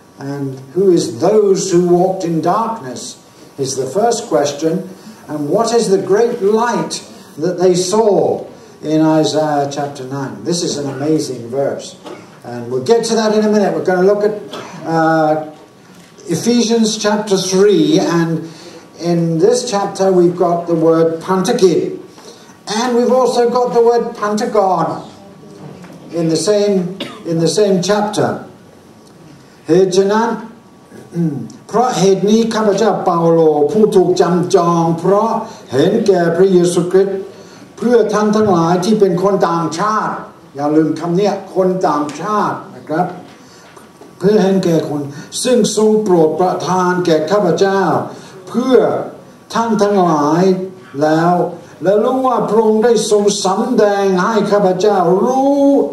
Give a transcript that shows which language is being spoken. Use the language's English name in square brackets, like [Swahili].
[English] And who is those who walked in darkness is the first question And what is the great light that they saw in Isaiah chapter 9 This is an amazing verse And we'll get to that in a minute. We're going to look at Ephesians chapter 3. And in this chapter, we've got the word Pantake. And we've also got the word Pantagon in the same chapter. [Thai] เหตุฉะนั้นเพราะเหตุนี้ข้าพเจ้าเปาโลผู้ถูกจำจองเพราะเห็นแก่พระเยซูคริสต์เพื่อท่านทั้งหลายที่เป็นคนต่างชาติอย่าลืมคำนี้คนตามชาตินะครับเพื่อให้แก่คนซึ่งทรงโปรดประทานแก่ข้าพเจ้าเพื่อท่านทั้งหลายแล้วรู้ว่าพระองค์ได้ทรงสำแดงให้ข้าพเจ้ารู้